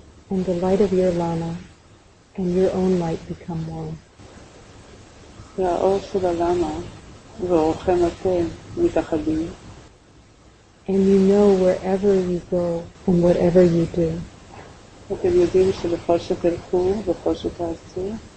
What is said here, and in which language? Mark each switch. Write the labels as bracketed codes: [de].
[en] And the light of your lama and your own light become one. [he] והאור של הלמה ואורכם אתם מתאחדים. [en] And you know wherever you go and whatever you do. [he] אתם יודעים שבכל שתלכו ובכל שתעשו.